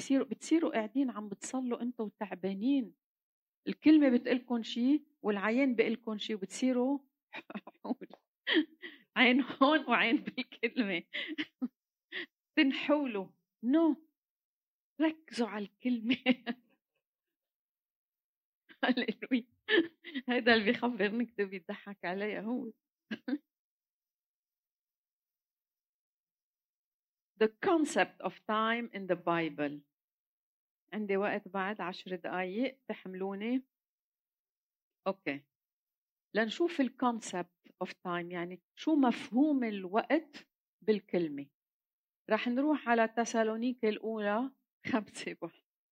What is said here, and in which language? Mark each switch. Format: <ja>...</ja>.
<ar>بتصيروا قاعدين عم بتصلوا انتوا وتعبانين، الكلمة بتقلكن شيء والعين بقلكن شيء، وبتصيروا عين هون وعين بالكلمة تنحولوا. نو ركزوا على الكلمة. هللويا. هذا اللي بيخبرني كده بيضحك علي هو.</ar> <en>The concept of time in the Bible.</en> <ar>عندي وقت بعد 10 دقايق، تحملوني. أوكي. لنشوف ال</ar> <en>concept of time،</en> <ar>يعني شو مفهوم الوقت بالكلمة. راح نروح على تسالونيك الأولى 5:1.</ar>